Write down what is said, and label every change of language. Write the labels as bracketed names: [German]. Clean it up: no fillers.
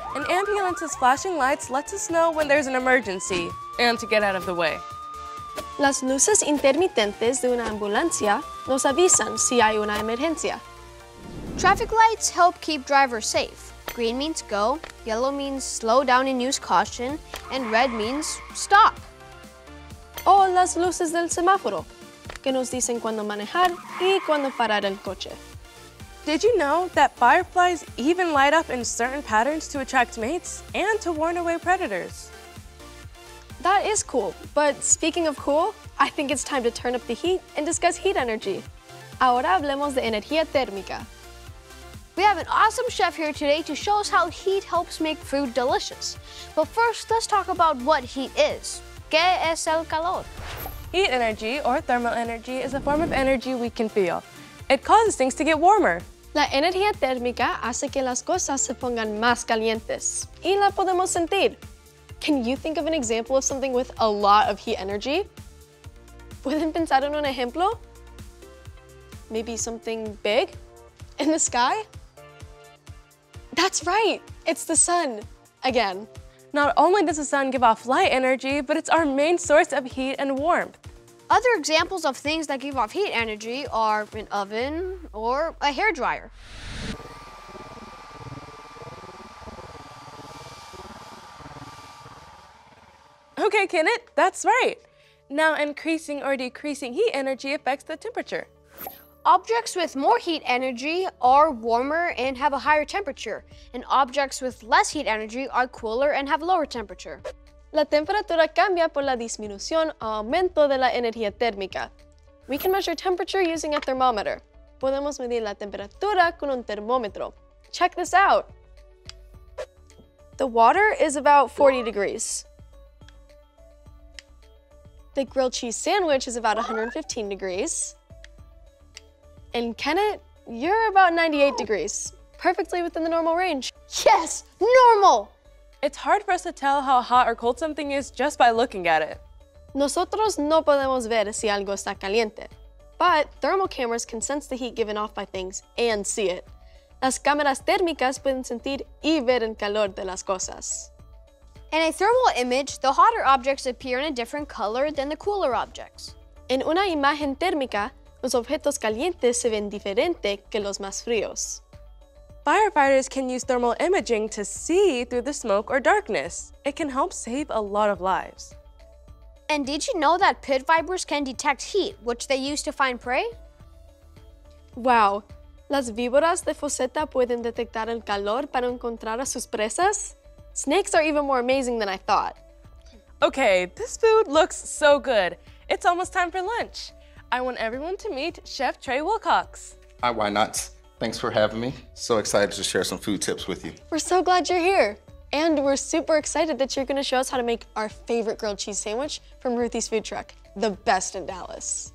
[English] An ambulance's flashing lights lets us know when there's an emergency and to get out of the way. [Spanish] Las luces intermitentes de una ambulancia nos avisan si hay una emergencia. [English] Traffic lights help keep drivers safe. Green means go, yellow means slow down and use caution, and red means stop. [Spanish] O las luces del semáforo, que nos dicen cuándo manejar y cuándo parar el coche. [English] Did you know that fireflies even light up in certain patterns to attract mates and to warn away predators? That is cool, but speaking of cool, I think it's time to turn up the heat and discuss heat energy. [Spanish] Ahora hablemos de energía térmica. [English] We have an awesome chef here today to show us how heat helps make food delicious. But first, let's talk about what heat is. [Spanish] ¿Qué es el calor? [English] Heat energy, or thermal energy, is a form of energy we can feel. It causes things to get warmer. [Spanish] La energía térmica hace que las cosas se pongan más calientes. Y la podemos sentir. [English] Can you think of an example of something with a lot of heat energy? [Spanish] ¿Pueden pensar en un ejemplo? [English] Maybe something big? In the sky? That's right, it's the sun, again. Not only does the sun give off light energy, but it's our main source of heat and warmth. Other examples of things that give off heat energy are an oven or a hairdryer. Okay, Kennet, that's right. Now, increasing or decreasing heat energy affects the temperature. Objects with more heat energy are warmer and have a higher temperature, and objects with less heat energy are cooler and have lower temperature. [Spanish] La temperatura cambia por la disminución o aumento de la energía térmica. [English] We can measure temperature using a thermometer. [Spanish] Podemos medir la temperatura con un termómetro. [English] Check this out. The water is about 40 degrees. The grilled cheese sandwich is about 115 degrees. And Kennet, you're about 98 degrees, perfectly within the normal range. Yes, normal! It's hard for us to tell how hot or cold something is just by looking at it. [Spanish] Nosotros no podemos ver si algo está caliente. [English] But thermal cameras can sense the heat given off by things and see it. [Spanish] Las cámaras térmicas pueden sentir y ver el calor de las cosas. [English] In a thermal image, the hotter objects appear in a different color than the cooler objects. [Spanish] En una imagen térmica, los objetos calientes se ven diferente que los más fríos. [English] Firefighters can use thermal imaging to see through the smoke or darkness. It can help save a lot of lives. And did you know that pit vipers can detect heat, which they use to find prey? [Spanish] Wow, las víboras de foseta pueden detectar el calor para encontrar a sus presas? [English] Snakes are even more amazing than I thought. Okay, this food looks so good. It's almost time for lunch. I want everyone to meet Chef Trey Wilcox. Hi, Whynauts. Thanks for having me. So excited to share some food tips with you. We're so glad you're here. And we're super excited that you're gonna show us how to make our favorite grilled cheese sandwich from Ruthie's Food Truck, the best in Dallas.